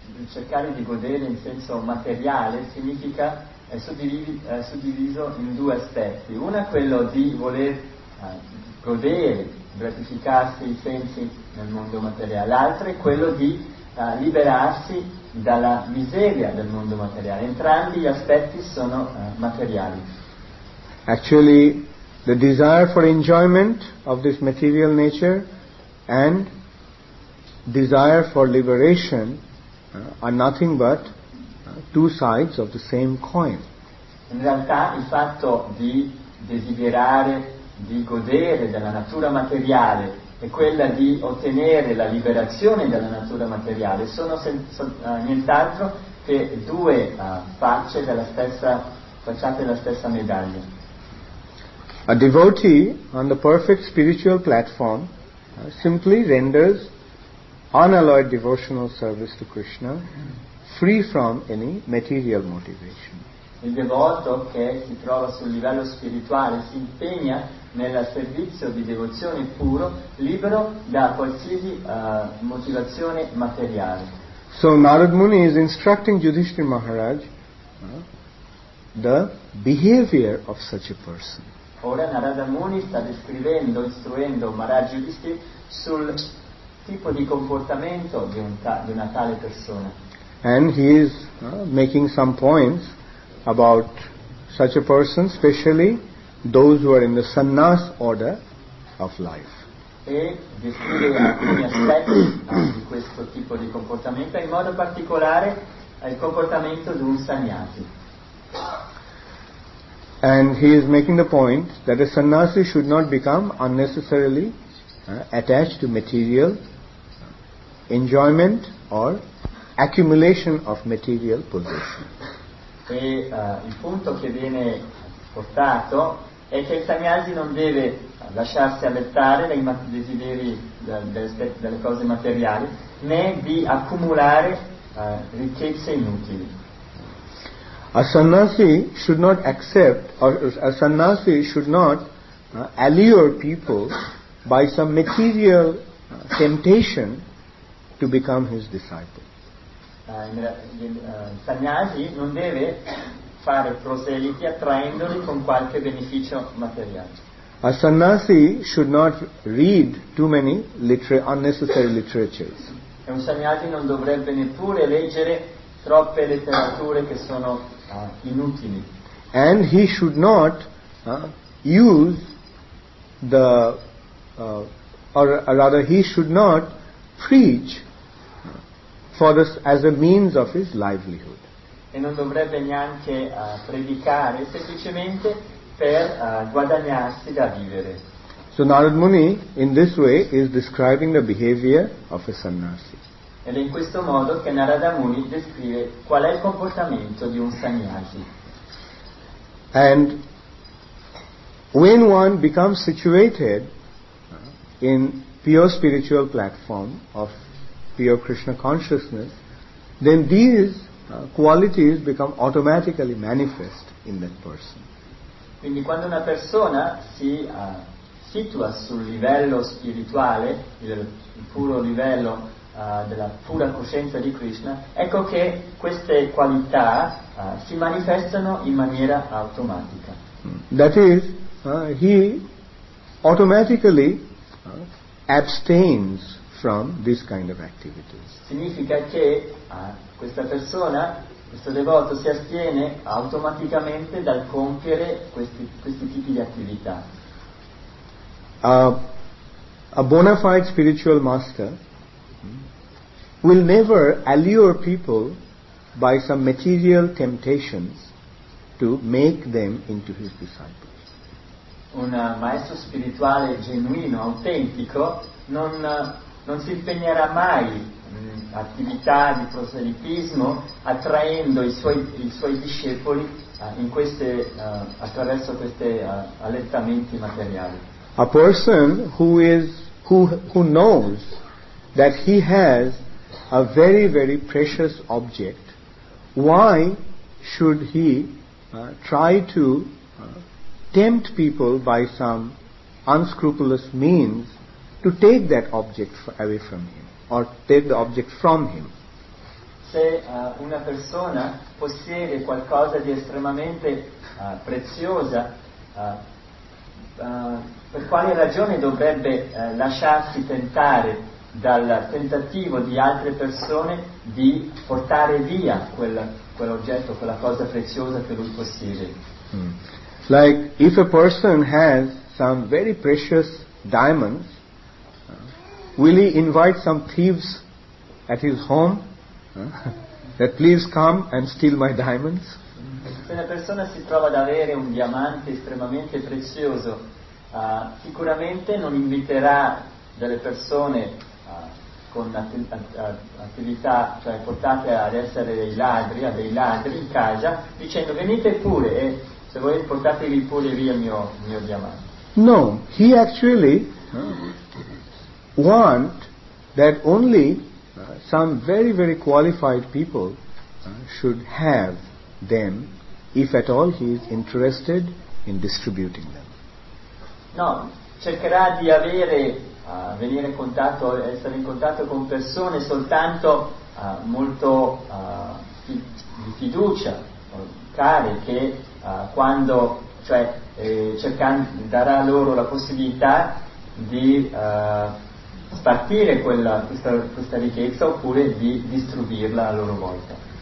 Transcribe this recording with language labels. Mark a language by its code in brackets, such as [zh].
[it] Cercare di godere in senso materiale significa è suddiviso in due aspetti. Uno è quello di voler godere, gratificarsi i sensi nel mondo materiale. L'altro è quello di liberarsi dalla miseria del mondo materiale. Entrambi gli aspetti sono materiali. [en] Actually, the desire for enjoyment of this material nature and desire for liberation are nothing but two sides of the same coin. [it] In realtà il fatto di desiderare di godere della natura materiale e quella di ottenere la liberazione dalla natura materiale sono nient'altro che due facce della stessa facciata della stessa medaglia. [en] A devotee on the perfect spiritual platform simply renders unalloyed devotional service to Krishna free from any material motivation. [it] Il devoto che si trova sul livello spirituale si impegna nel servizio di devozione puro, libero da qualsiasi motivazione materiale. [en] So Narad Muni is instructing Yudhishthira Maharaj the behavior of such a person. [it] Ora Narada Muni sta descrivendo, istruendo Maharaj Yudhishthira sul tipo di comportamento di una tale persona. [en] And he is making some points about such a person, especially those who are in the sannyas order of life. [it] E descrive alcuni aspetti di questo tipo di comportamento, in modo particolare il comportamento di un sannyasi. [en] And he is making the point that a sannyasi should not become unnecessarily attached to material enjoyment or accumulation of material possession. [it] E il punto che viene portato è che il sannyasi non deve lasciarsi allettare dai desideri delle cose materiali, né di accumulare ricchezze inutili. [en] A sannyasi should not accept, or a sannyasi should not allure people by some material temptation to become his disciple. [it] Sannyasi non deve fare proseliti attraendoli con qualche beneficio materiale. [en] A sannyasi should not read too many unnecessary literatures. [it] E un sannyasi non dovrebbe neppure leggere troppe letterature che sono inutili. [en] And he should not use the or rather he should not preach for this as a means of his livelihood. [it] E non dovrebbe neanche predicare semplicemente per guadagnarsi da vivere. [en] So Narad Muni in this way is describing the behavior of a sannyasi. [it] Ed è in questo modo che Narada Muni descrive qual è il comportamento di un sannyasi. [en] And when one becomes situated in pure spiritual platform of pure Krishna consciousness, then these qualities become automatically manifest in that person. [it] Quindi quando una persona si situa sul livello spirituale, il puro livello della pura coscienza di Krishna, ecco che queste qualità si manifestano in maniera automatica. [en] That is, he automatically abstains from this kind of activities. [it] Significa che questa persona, questo devoto, si astiene automaticamente dal compiere questi tipi di attività. [en] A bona fide spiritual master will never allure people by some material temptations to make them into his disciples. [it] Un maestro spirituale genuino, autentico, non si impegnerà mai attività di proselitismo attraendo i suoi discepoli attraverso questi allettamenti materiali. [en] A person who knows that he has a very very precious object, why should he try to tempt people by some unscrupulous means to take that object away from him or take the object from him? [it] Se una persona possiede qualcosa di estremamente preziosa, per quale ragione dovrebbe lasciarsi tentare dal tentativo di altre persone di portare via quell'oggetto, quella cosa preziosa che lui possiede? [en] Like if a person has some very precious diamonds, will he invite some thieves at his home that please come and steal my diamonds? [it] Se una persona si trova ad avere un diamante estremamente prezioso, sicuramente non inviterà delle persone con attività, cioè portate ad essere dei ladri in casa, dicendo venite pure e se volete portatevi pure via il mio diamante. [en] No, he actually want that only some very very qualified people should have them, if at all he is interested in distributing them. [it] No, cercherà di avere venire in contatto, essere in contatto con persone soltanto molto di fiducia, care, che quando, cioè cercando, darà loro la possibilità di spartire questa ricchezza oppure di distribuirla a loro volta.